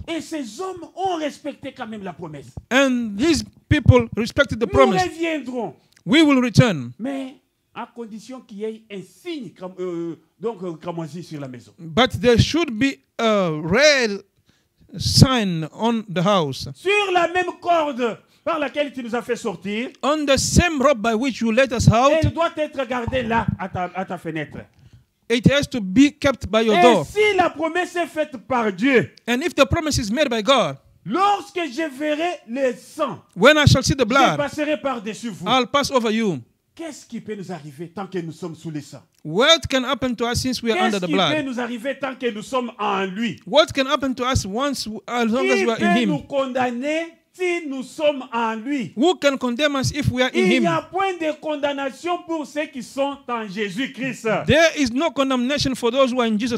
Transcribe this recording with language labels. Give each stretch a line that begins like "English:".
French: Et ces hommes ont respecté quand même la promesse.
English: And these people respected the
French: nous
English: promise.
French: Reviendrons.
English: We will return.
French: Mais à condition qu'il y ait un signe donc cramoisi sur la maison.
English: But there should be a red sign on the house.
French: Sur la même corde par laquelle tu nous as fait sortir.
English: On the same rope by which you let us out.
French: Elle doit être gardée là à ta fenêtre.
English: It has to be kept by your
French: et
English: door.
French: Si la promesse est faite par Dieu,
English: and if the promise is made by God,
French: lorsque je verrai le sang,
English: when I shall see the blood,
French: je passerai par-dessus vous.
English: I'll pass over you.
French: Qu'est-ce qui peut nous arriver tant que nous sommes sous le sang?
English: What can happen to us since we are
French: qu'est-ce
English: under the blood?
French: Qui peut nous arriver tant que nous sommes en lui?
English: What can happen to us once, as long
French: qui
English: as we are in him?
French: Qui peut nous condamner si nous sommes en lui?
English: Who can condemn us if we are in
French: il
English: him?
French: Il n'y a point de condamnation pour ceux qui sont en Jésus-Christ.
English: There is no condemnation for those who are in Jesus